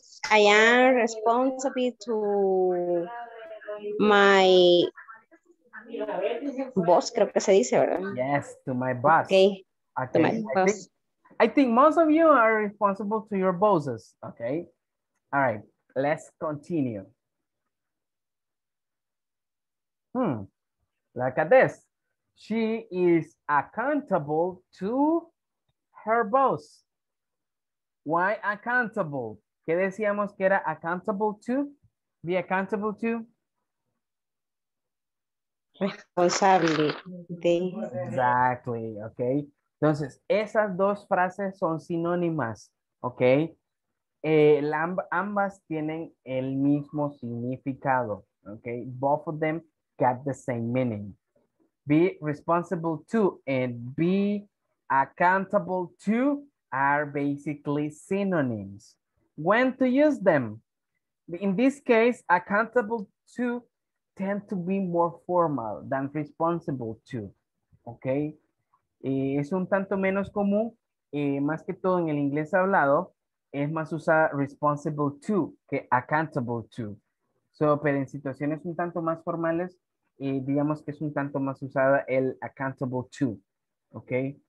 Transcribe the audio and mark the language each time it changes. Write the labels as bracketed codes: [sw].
[en] responsible to my boss, [es] creo que se dice, ¿verdad? [en] Yes, to my boss. Okay. To my boss. I think most of you are responsible to your bosses, okay? All right, let's continue. Look at this. She is accountable to her boss. Why accountable? [es] ¿Qué decíamos que era accountable to? [en] Be accountable to? [es] Responsable. [en] Exactly, [es] okay? Entonces, esas dos frases son sinónimas, ¿ok? Ambas tienen el mismo significado, ¿ok? [en] Both of them got the same meaning. Be responsible to and be accountable to are basically synonyms. When to use them? In this case, accountable to tend to be more formal than responsible to, okay? [es] Es un tanto menos común, más que todo en el inglés hablado, es más usada responsible to que accountable to. So, pero en situaciones un tanto más formales, digamos que es un tanto más usada el accountable to, okay?